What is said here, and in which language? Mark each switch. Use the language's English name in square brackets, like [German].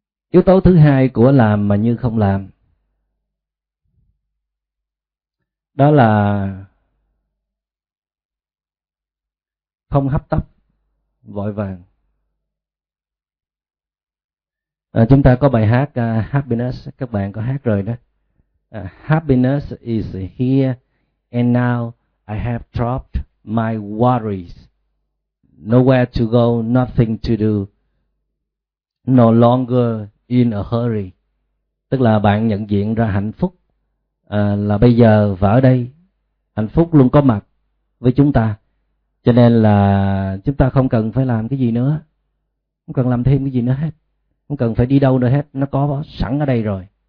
[Vietnamese] Yếu tố thứ hai của làm mà như không làm, đó là không hấp tấp, vội vàng. Chúng ta có bài hát Happiness, các bạn có hát rồi đó. [English] Happiness is here and now, I have dropped my worries. Nowhere to go, nothing to do, no longer in a hurry. [Vietnamese] Tức là bạn nhận diện ra hạnh phúc là bây giờ và ở đây. Hạnh phúc luôn có mặt với chúng ta, cho nên là chúng ta không cần phải làm cái gì nữa, không cần làm thêm cái gì nữa hết, không cần phải đi đâu nữa hết, nó có sẵn ở đây rồi.